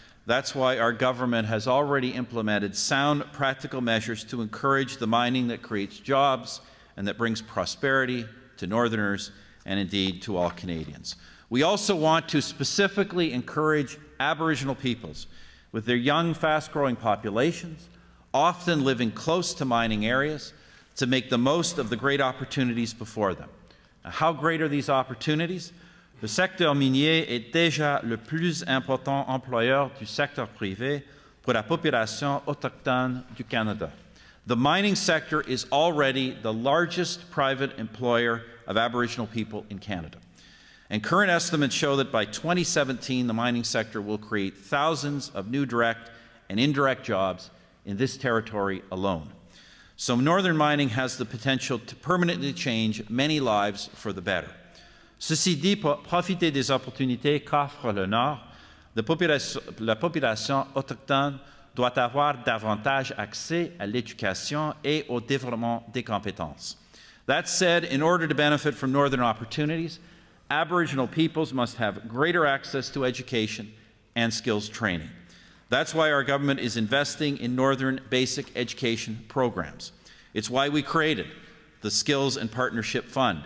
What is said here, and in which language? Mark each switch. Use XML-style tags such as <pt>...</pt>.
<en>That's why our government has already implemented sound, practical measures to encourage the mining that creates jobs and that brings prosperity to Northerners and indeed to all Canadians. We also want to specifically encourage Aboriginal peoples with their young, fast-growing populations, often living close to mining areas, to make the most of the great opportunities before them. Now, how great are these opportunities?</en> <fr>Le secteur minier est déjà le plus important employeur du secteur privé pour la population autochtone du Canada.</fr> <en>The mining sector is already the largest private employer of Aboriginal people in Canada. And current estimates show that by 2017, the mining sector will create thousands of new direct and indirect jobs in this territory alone. So northern mining has the potential to permanently change many lives for the better.</en> <fr>Ceci dit, pour profiter des opportunités qu'offre le Nord, la population autochtone doit avoir davantage accès à l'éducation et au développement des compétences.</fr> <en>That said, in order to benefit from northern opportunities, Aboriginal peoples must have greater access to education and skills training. That's why our government is investing in northern basic education programs. It's why we created the Skills and Partnership Fund.</en>